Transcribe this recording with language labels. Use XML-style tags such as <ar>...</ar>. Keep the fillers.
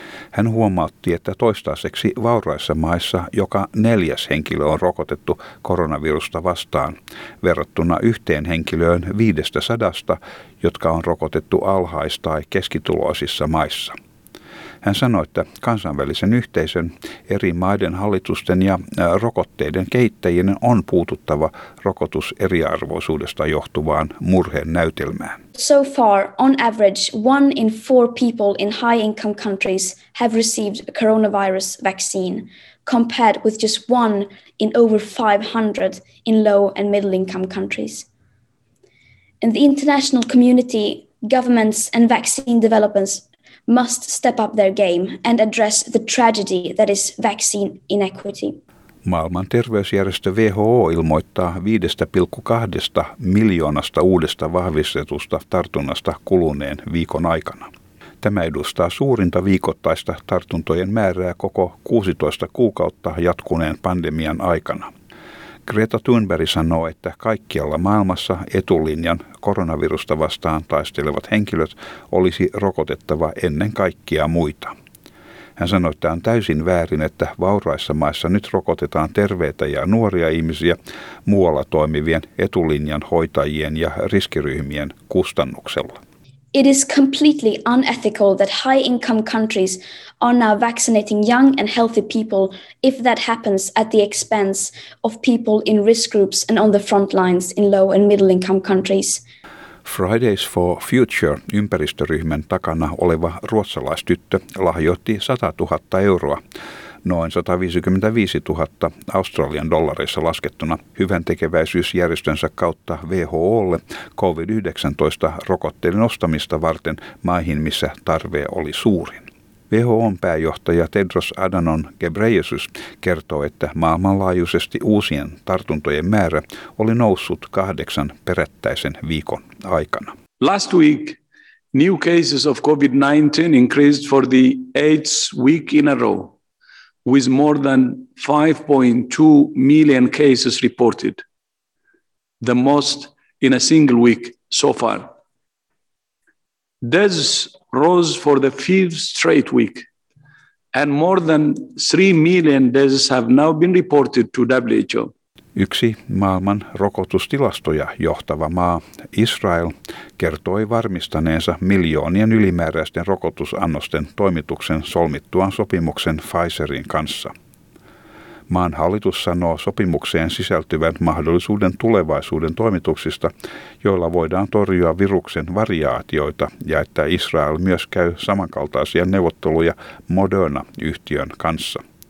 <fi>Hän huomautti, että toistaiseksi vauraissa maissa joka neljäs henkilö on rokotettu koronavirusta vastaan, verrattuna yhteen henkilöön viidestä sadasta, jotka on rokotettu alhaista tai keskituloisissa maissa. Hän sanoi, että kansainvälisen yhteisön eri maiden hallitusten ja rokotteiden kehittäjien on puututtava rokotus eriarvoisuudesta johtuvaan murheen näytelmään.</fi> <en>So far, on average, one in four people in high income countries have received a coronavirus vaccine, compared with just one in over 500 in low and middle income countries. In the international community, governments and vaccine developers must step up their game and address the tragedy that is vaccine inequity.</en> <fi>Maailman terveysjärjestö WHO ilmoittaa 5,2 miljoonasta uudesta vahvistetusta tartunnasta kuluneen viikon aikana. Tämä edustaa suurinta viikoittaista tartuntojen määrää koko 16 kuukautta jatkuneen pandemian aikana. Greta Thunberg sanoo, että kaikkialla maailmassa etulinjan koronavirusta vastaan taistelevat henkilöt olisi rokotettava ennen kaikkia muita. Hän sanoi, että on täysin väärin, että vauraissa maissa nyt rokotetaan terveitä ja nuoria ihmisiä muualla toimivien etulinjan hoitajien ja riskiryhmien kustannuksella.</fi> <en>it is completely unethical that high income countries are now vaccinating young and healthy people if that happens at the expense of people in risk groups and on the front lines in low and middle income countries.</en> <fi>Fridays for Future ympäristöryhmän takana oleva ruotsalaistyttö lahjoitti 100 000 euroa noin 155 000 Australian dollareissa laskettuna hyvän tekeväisyysjärjestönsä kautta WHOlle COVID-19 rokotteiden ostamista varten maihin, missä tarve oli suurin. WHOn pääjohtaja Tedros Adanon Gebreyesus kertoo, että maailmanlaajuisesti uusien tartuntojen määrä oli noussut kahdeksan perättäisen viikon aikana.</fi> <en>Last week, new cases of COVID-19 increased for the eighth week in a row. with more than 5.2 million cases reported, the most in a single week so far. Deaths rose for the fifth straight week, and more than 3 million deaths have now been reported to WHO.</en> <fi>Yksi maailman rokotustilastoja johtava maa, Israel, kertoi varmistaneensa miljoonien ylimääräisten rokotusannosten toimituksen solmittuaan sopimuksen Pfizerin kanssa. Maan hallitus sanoo sopimukseen sisältyvän mahdollisuuden tulevaisuuden toimituksista, joilla voidaan torjua viruksen variaatioita ja että Israel myös käy samankaltaisia neuvotteluja Moderna-yhtiön kanssa.</fi>